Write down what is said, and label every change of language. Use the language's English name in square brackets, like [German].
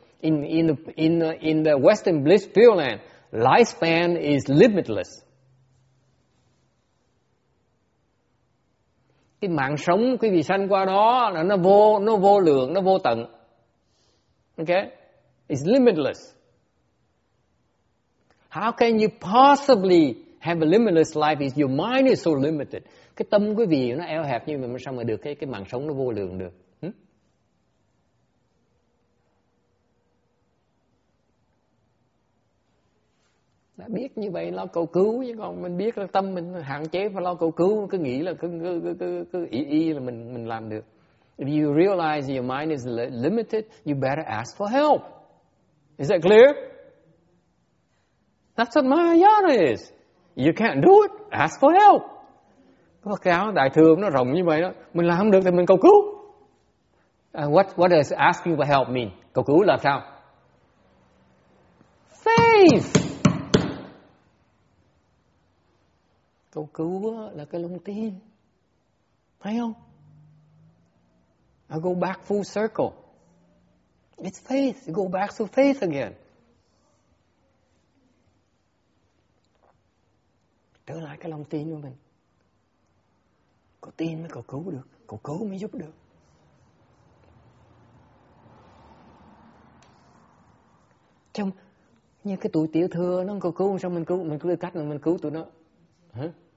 [English] In the Western Bliss Pure Land, lifespan is limitless. [Vietnamese] Cái mạng sống quý vị sanh qua đó là nó vô lượng, nó vô tận. [English] Okay? It's limitless. How can you possibly have a limitless life if your mind is so limited? [Vietnamese] Cái tâm quý vị nó eo hẹp như vậy mà sao mà được cái mạng sống nó vô lượng được? Đã biết như vậy lo cầu cứu, chứ còn mình biết là tâm mình hạn chế và lo cầu cứu, cứ nghĩ là cứ y là mình làm được. [English] If you realize your mind is limited, you better ask for help. Is that clear? That's what Mahayana is. You can't do it, ask for help. [Vietnamese] Có cái áo đại thừa nó rộng như vậy đó, mình làm không được thì mình cầu cứu. [English] What does asking for help mean? [Vietnamese] Cầu cứu là sao? [English] Faith. [Vietnamese] Cầu cứu là cái lòng tin. Phải không? [English] I go back full circle. It's faith. You go back to faith again. [Vietnamese] Trở lại cái lòng tin của mình. Có tin mới cầu cứu được. Cầu cứu mới giúp được. Trong như cái tuổi tiểu thừa nó cầu cứu, sao mình cứu? Mình cứ cách là mình cứu tụi nó. Hả?